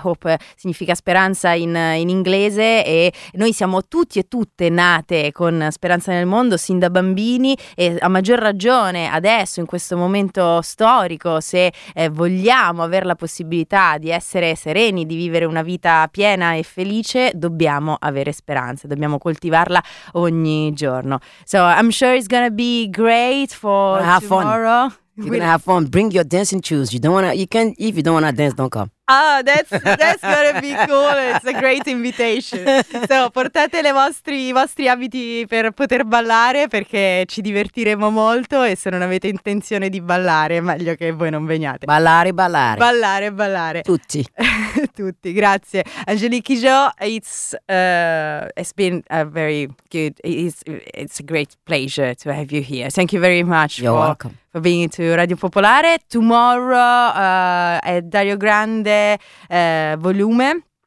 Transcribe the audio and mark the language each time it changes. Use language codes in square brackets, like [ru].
[it] Hope significa speranza in inglese, e noi siamo tutti e tutte nate con speranza nel mondo sin da bambini, e a maggior ragione adesso, in questo momento storico, se vogliamo avere la possibilità di essere sereni, di vivere una vita piena e felice, dobbiamo avere speranza, dobbiamo coltivarla ogni giorno. [en] So I'm sure it's gonna be great for tomorrow. You're gonna have fun. Bring your dancing shoes. If you don't wanna dance, don't come. Ah, that's gonna be cool. It's a great invitation. [it] So portate i vostri abiti per poter ballare, perché ci divertiremo molto, e se non avete intenzione di ballare, meglio che voi non veniate. Ballare. Tutti. Tutti, grazie. [en] Angélique Kidjot, it's been a very good, it's a great pleasure to have you here. Thank you very much. You're welcome. For being to Radio Popolare. Tomorrow è Dario Grande volume.